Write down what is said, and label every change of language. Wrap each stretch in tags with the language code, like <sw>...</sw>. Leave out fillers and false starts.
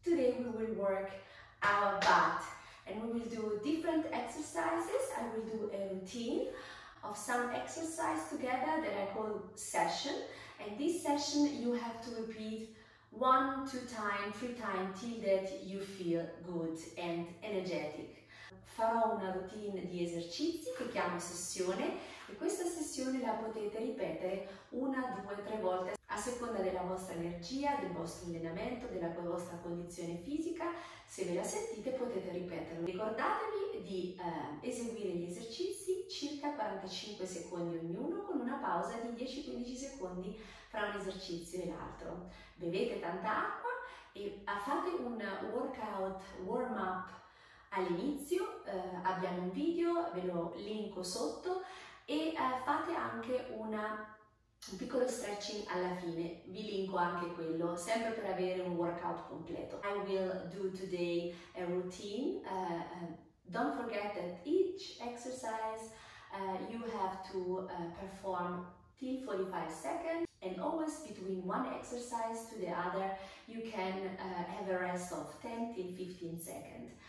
<en>Today we will work our butt and we will do different exercises. I will do a routine of some exercise together that I call session. And this session you have to repeat one, two time, three time, till that you feel good and energetic.</en> <it>Farò una routine di esercizi che chiamo sessione e questa sessione la potete ripetere una, due, tre volte a seconda della vostra energia, del vostro allenamento, della vostra condizione fisica. Se ve la sentite potete ripeterlo. Ricordatevi di eseguire gli esercizi circa 45 secondi ognuno con una pausa di 10-15 secondi tra un esercizio e l'altro. Bevete tanta acqua e fate un workout, warm up all'inizio. Abbiamo un video, ve lo linko sotto e fate anche un piccolo stretching alla fine, vi linko anche quello, sempre per avere un workout completo.</it> <en>I will do today a routine. Don't forget that each exercise you have to perform till 45 seconds, and always between one exercise to the other, you can have a rest of 10 till 15 seconds.</en>